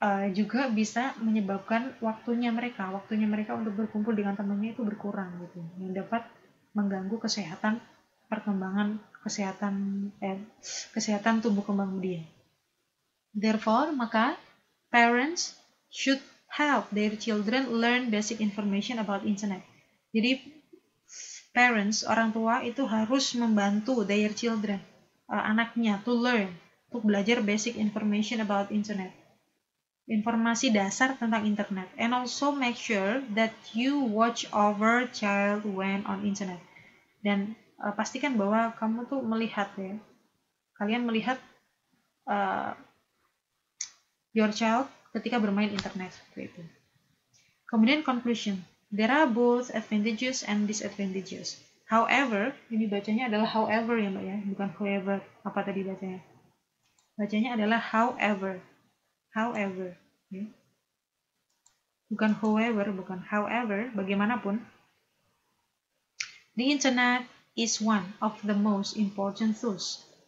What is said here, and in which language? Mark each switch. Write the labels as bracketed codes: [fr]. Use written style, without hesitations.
[id] Juga bisa menyebabkan waktunya mereka untuk berkumpul dengan temannya itu berkurang gitu, yang dapat mengganggu kesehatan perkembangan kesehatan kesehatan tumbuh kembang dia. [en] Therefore, [id] maka [en] parents should help their children learn basic information about internet. [id] Jadi [en] parents, [id] orang tua itu harus membantu [en] their children, [id] anaknya [en] to learn, [id] untuk belajar [en] basic information about internet. [id] Informasi dasar tentang internet. [en] And also make sure that you watch over child when on internet. [id] Dan pastikan bahwa kamu tuh melihat ya. Kalian melihat [en] your child [id] ketika bermain internet. Gitu. Kemudian conclusion. [en] There are both advantages and disadvantages. [id] However, ini bacanya adalah however ya mbak ya. Bukan however. Apa tadi bacanya? Bacanya adalah however. [en] However. [id] Bukan however, bukan however, bagaimanapun, [en] the internet is one of the most important tools.